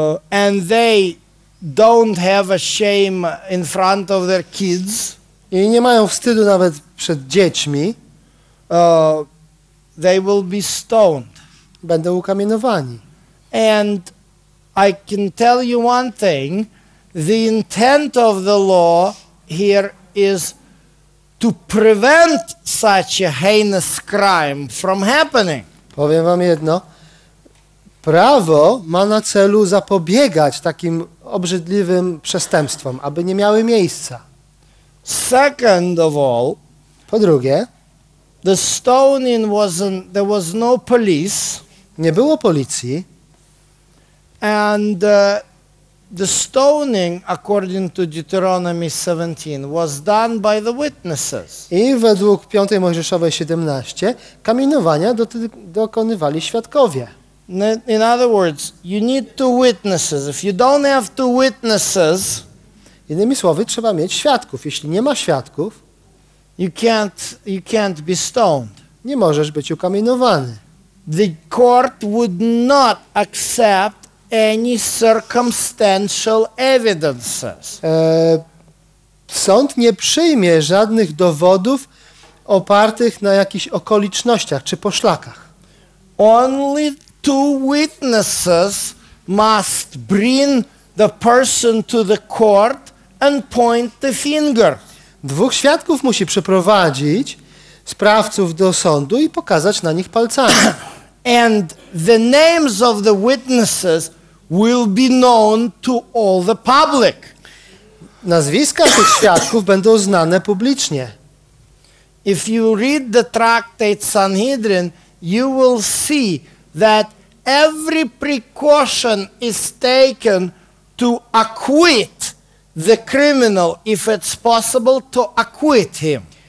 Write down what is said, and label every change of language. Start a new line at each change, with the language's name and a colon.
English: and they don't have a shame in front of their kids,
Polish: i nie mają wstydu nawet przed dziećmi,
English: they will be stoned.
Polish: Będą ukamienowani.
English: And I can tell you one thing, the intent of the law here is to prevent such a heinous crime from happening.
Polish: Powiem wam jedno. Prawo ma na celu zapobiegać takim obrzydliwym przestępstwom, aby nie miały miejsca.
English: Second of all,
Polish: po drugie,
English: the stoning wasn't, there was no police.
Polish: Nie było policji.
English: And the stoning, according to Deuteronomy 17, was done by the witnesses.
Polish: I według 5 Mojżeszowej 17 kamienowania dokonywali świadkowie.
English: In other words, you need two witnesses. If you don't have two witnesses,
Polish: innymi słowy, trzeba mieć świadków. Jeśli nie ma świadków,
English: you can't be stoned.
Polish: Nie możesz być ukamienowany.
English: The court would not accept any circumstantial evidences.
Polish: Sąd nie przyjmie żadnych dowodów opartych na jakichś okolicznościach czy poszlakach.
English: Only two witnesses must bring the person to the court and point the finger.
Polish: Dwóch świadków musi przeprowadzić sprawców do sądu i pokazać na nich palcami.
English: And the names of the witnesses will be known to all the public.
Polish: Nazwiska tych świadków będą znane publicznie.
English: If you read the Tractate Sanhedrin, you will see that every precaution is taken to acquit the criminal, if it's possible to acquit him.